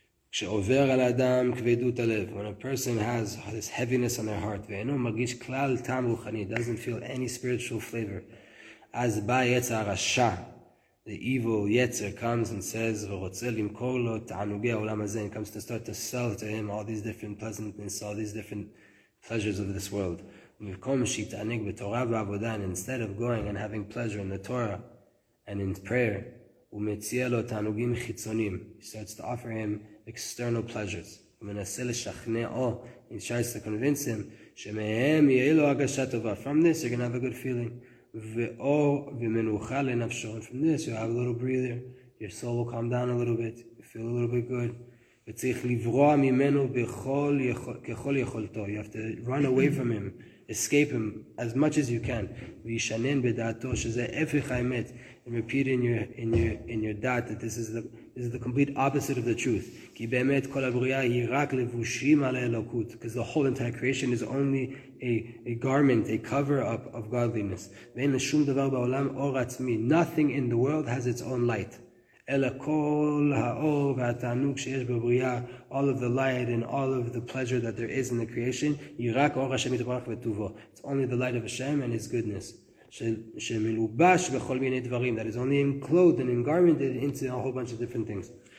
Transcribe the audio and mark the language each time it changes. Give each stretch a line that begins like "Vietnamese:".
Hebrew: כשעובר על האדם כבדות הלב,
English: when a person has this heaviness on their heart,
Hebrew: ואינו מרגיש כלל טעם רוחני,
English: doesn't feel any spiritual flavor,
Hebrew: אז בא יצר הרשע,
English: the evil יצר comes and says,
Hebrew: ורוצה למכור לו תענוגי העולם הזה,
English: and comes to start to sell to him all these different pleasantness, all these different pleasures of this world.
Hebrew: ומקום שיתענג בתורה ועבודה,
English: and instead of going and having pleasure in the Torah and in prayer,
Hebrew: ומציע לו תענוגים חיצוניים,
English: he starts to offer him external pleasures.
Hebrew: ומנסה לשכנעו,
English: and tries to convince him,
Hebrew: שמהם יהיה לו הרגשה טובה.
English: From this, you're going to have a good feeling.
Hebrew: ואור ומנוחה לנפשו.
English: And from this, you have a little breather. Your soul will calm down a little bit. You feel a little bit good.
Hebrew: וצריך לברוע ממנו בכל ככל יכולתו.
English: You have to run away from him. Escape him as much as you can.
Hebrew: וישנן בדעתו שזה הפך האמת.
English: And repeat in your doubt that this is the complete opposite of the truth.
Hebrew: כי באמת כל הבריאה היא רק לבושים על האלוקות.
English: Because the whole entire creation is only a garment, a cover up of godliness.
Hebrew: ואין לשום דבר בעולם אור עצמי.
English: Nothing in the world has its own light.
Hebrew: אלא כל האור והתענוג שיש בבריאה,
English: all of the light and all of the pleasure that there is in the creation,
Hebrew: היא רק אור השם יתברך וטובו.
English: It's only the light of Hashem and His goodness.
Hebrew: שמלובש בכל מיני דברים,
English: that is only enclosed and engarmented into a whole bunch of different things.